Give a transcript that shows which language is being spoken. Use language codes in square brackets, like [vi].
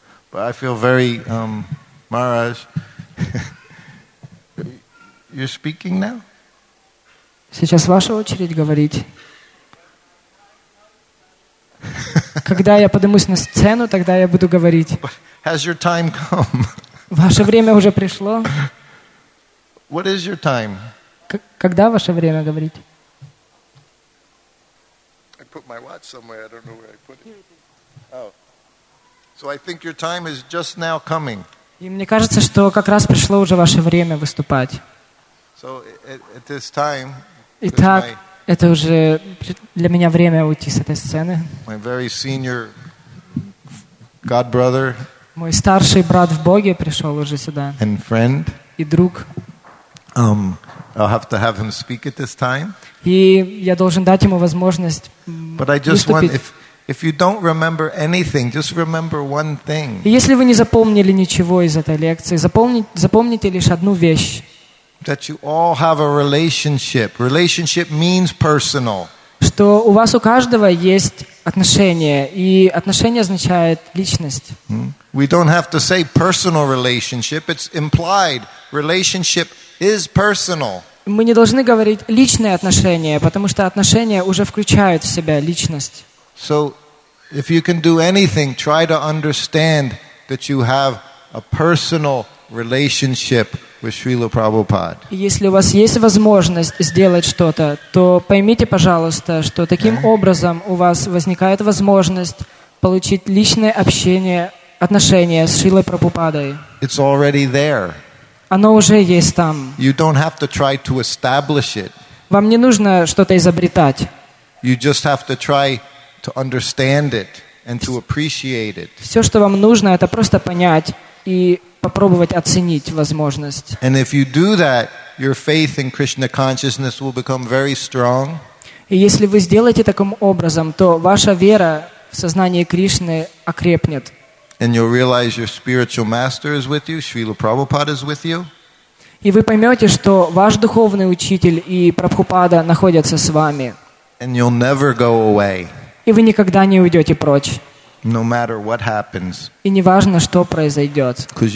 [en] But I feel very, Maharaj, you're speaking now? [ru] Сейчас ваша очередь говорить. Когда я поднимусь на сцену, тогда я буду говорить. [en] But has your time come? [ru] Ваше время уже пришло. [en] What is your time? [ru] Когда ваше время говорить? [en] I put my watch somewhere, I don't know where I put it. Oh. So I think your time is just now coming. [ru] И мне кажется, что как раз пришло уже ваше время выступать. [en] So at this time. [ru] Итак, это уже для меня время уйти с этой сцены. [en] My very senior God brother. [ru] Мой старший брат в Боге пришел уже сюда. [en] And friend. [ru] И друг. [en] I'll have to have him speak at this time. [ru] И я должен дать ему возможность выступить. [en] If you don't remember anything, just remember one thing. [ru] Если вы не запомнили ничего из этой лекции, запомните лишь одну вещь. [en] That you all have a relationship. Relationship means personal. [ru] Что у вас у каждого есть отношения, и отношения означает личность. [en] We don't have to say personal relationship. It's implied. Relationship is personal. [ru] Мы не должны говорить личные отношения, потому что отношения уже включают в себя личность. [en] So, if you can do anything, try to understand that you have a personal relationship with Srila Prabhupada. [ru] Если у вас есть возможность сделать что-то, то поймите, пожалуйста, что таким образом у вас возникает возможность получить личное общение, отношения с Шрилой Прабхупадой. [en] It's already there. [ru] Оно уже есть там. [en] You don't have to try to establish it. [ru] Вам не нужно что-то изобретать. [en] You just have to try to understand it and to appreciate it. [ru] Все, что вам нужно, это просто понять и попробовать оценить возможность. [en] And if you do that, your faith in Krishna consciousness will become very strong. [ru] И если вы сделаете таким образом, то ваша вера в сознание Кришны окрепнет. [en] And you'll realize your spiritual master is with you, Srila Prabhupada is with you. [ru] И вы поймете, что ваш духовный учитель и Прабхупада находятся с вами. [en] And you'll never go away. [ru] И вы никогда не уйдете прочь. И не важно, что произойдет.